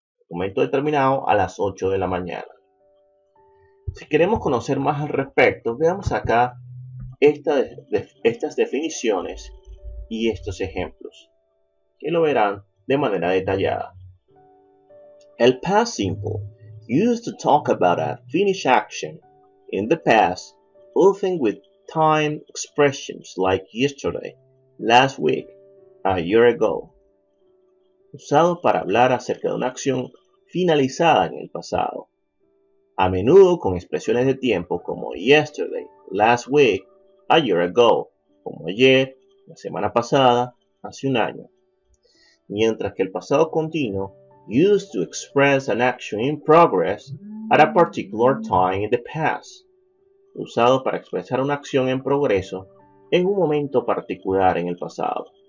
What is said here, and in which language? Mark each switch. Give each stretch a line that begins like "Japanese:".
Spanish: Momento determinado a las 8 de la mañana. Si queremos conocer más al respecto, veamos acá estas definiciones y estos ejemplos, que lo verán de manera detallada.
English: El past simple, used to talk about a finished action in the past, often with time expressions like yesterday, last week, a year ago.
Spanish: Usado para hablar acerca de una acción finalizada en el pasado, a menudo con expresiones de tiempo como
English: yesterday, last week, a year ago,
Spanish: como ayer, la semana pasada, hace un año. Mientras que el pasado continuo,
English: used to express an action in progress at a particular time in the past,
Spanish: usado para expresar una acción en progreso en un momento particular en el pasado.